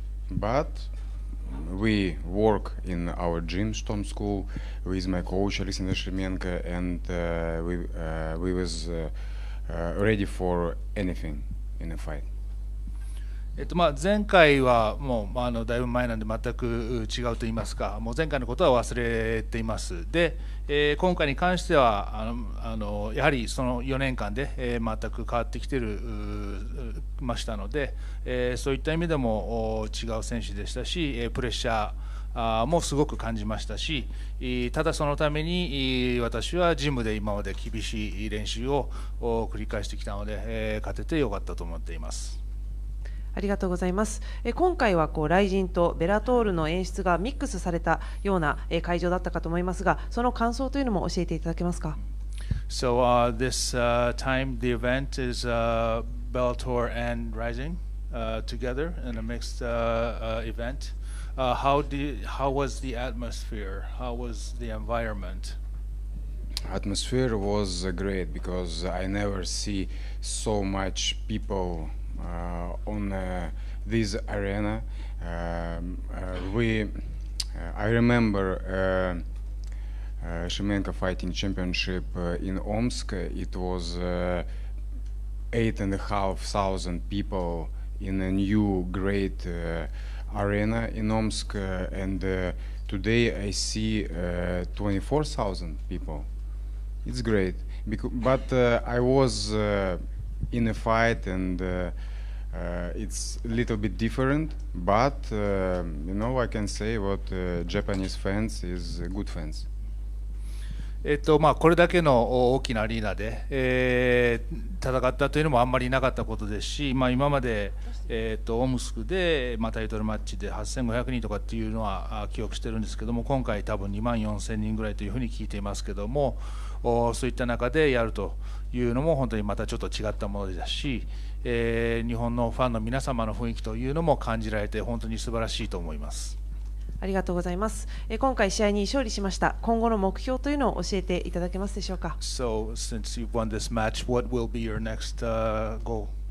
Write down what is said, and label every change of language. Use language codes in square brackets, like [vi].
[en] But we work in our gym, Storm School, with my coach, Alexander Shlemenko, and we was ready for anything in a fight. [ja] まあ前回はもうあのだいぶ前なんで全く違うと言いますか、もう前回のことは忘れています。で、今回に関してはあのやはりその4年間で全く変わってきてるましたので、そういった意味でも違う選手でしたし、プレッシャーもすごく感じましたし、ただそのために私はジムで今まで厳しい練習を繰り返してきたので、勝ててよかったと思っています。ありがとうございます。今回はこうライジンとベラトールの演出がミックスされたような会場だったかと思いますが、その感想というのも教えていただけますか。 [en] So, this time the event is Bellator and Rising together in a mixed event. How was the atmosphere? How was the environment? Atmosphere was great because I never see so much people on this arena. I remember Shlemenko Fighting Championship in Omsk. It was 8,500 people in a new great arena in Omsk. And today I see 24,000 people. It's great, but I was in a fight, and it's a little bit different. But you know, I can say what Japanese fans is good fans. [ja] まあ、これだけの大きなアリーナで、戦ったというのもあんまりなかったことですし、まあ、今まで、オムスクで、まあ、タイトルマッチで8500人とかっていうのは記憶してるんですけども、今回多分2万4000人ぐらいというふうに聞いていますけども、そういった中でやるというのも本当にまたちょっと違ったものだし、日本のファンの皆様の雰囲気というのも感じられて本当に素晴らしいと思います。ありがとうございます。今回試合に勝利しました。今後の目標というのを教えていただけますでしょうか。 [en] So since you've won this match, what will be your next goal?